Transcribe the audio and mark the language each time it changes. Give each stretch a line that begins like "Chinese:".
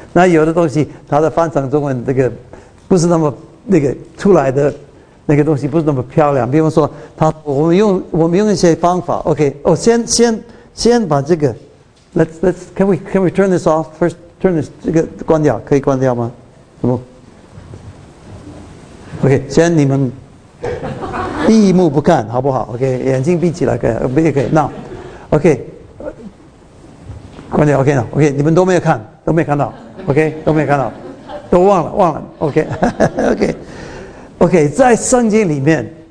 Chinese: 那有的东西它的翻成中文这个不是那么那个出来的那个东西不是那么漂亮。比方说它我们用一些方法 ，okay， 哦，先把这个。
English: Let's can we turn this off first? Turn this
Chinese: 这个关掉，可以关掉吗？什么 ？OK， 先你们一目不看好不好 ？OK， 眼睛闭起来可以，不也可以 ？Now，OK， 关掉 OK 了 ，OK， 你们都没有看到 ，OK， 都没有看到，都忘了 ，OK，OK，OK， 在圣经里面，